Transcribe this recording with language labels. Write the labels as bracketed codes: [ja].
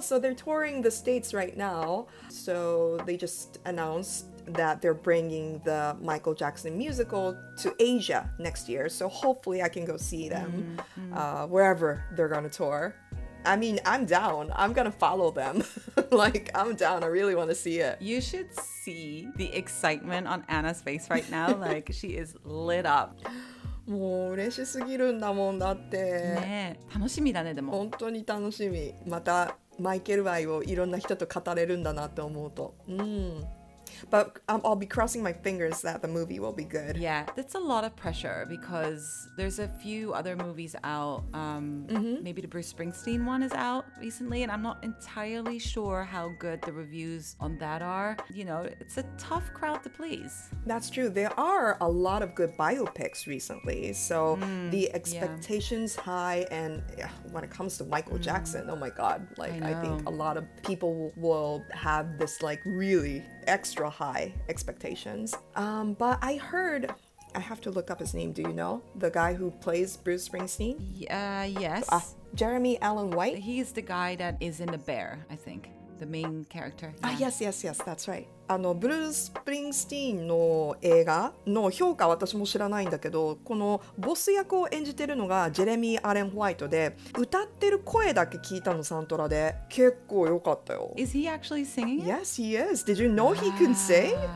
[en] So they're touring the States right now. So they just announced that they're bringing the Michael Jackson musical to Asia next year. So hopefully I can go see them wherever they're gonna tour. I mean, I'm down. I'm gonna follow them. Like, I'm down. I really want to see it. You should see the excitement on Anna's face right now. Like, she is lit up. [ja] もう嬉しすぎるんだもんだって。ね、楽しみだね、でも。本当に楽しみ。またマイケル愛をいろんな人と語れるんだなって思うと。うん。 [en] But I'll be crossing my fingers that the movie will be good. Yeah, that's a lot of pressure because there's a few other movies out. Maybe the Bruce Springsteen one is out recently, and I'm not entirely sure how good the reviews on that are. You know, it's a tough crowd to please. That's true. There are a lot of good biopics recently. So the expectations high, and yeah, when it comes to Michael Jackson, oh my God, like I think a lot of people will have this like really extra high expectations. But I heard, I have to look up his name, do you know? The guy who plays Bruce Springsteen? Yes. Jeremy Allen White? He's the guy that is in The Bear, I think. The main character. Yeah. Yes, that's right. [ja] あの、ブルース・スプリングスティーンの映画の評価は私も知らないんだけど、このボス役を演じてるのがジェレミー・アレン・ホワイトで、歌ってる声だけ聞いたの、サントラで結構良かったよ。 [en] Is he actually singing it? Yes, he is. Did you know he can sing?